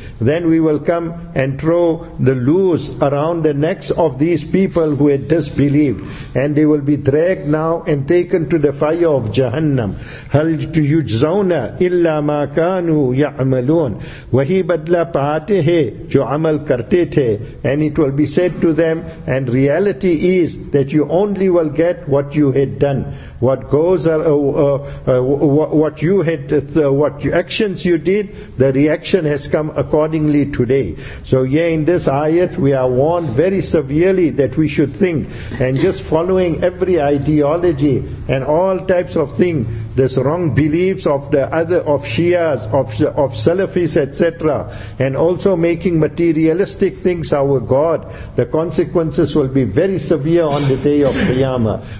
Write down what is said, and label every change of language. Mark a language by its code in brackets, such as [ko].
[en] Then we will come and throw the loose around the necks of these people who had disbelieved, and they will be dragged now and taken to the fire of Jahannam. [ar] هل يجزون الا ما كانوا يعملون [ur] وہی بدلہ پاتے ہیں جو عمل کرتے تھے. [en] And it will be said to them, and reality is that you only will get what you had done, what actions you did, the reaction has come accordingly today. So yeah, in this ayat we are warned very severely that we should think, and just following every ideology and all types of thing, this wrong beliefs of the other, of Shias, of Salafis, etc., and also making materialistic things our God, the consequences will be very severe on the day of Qiyamah.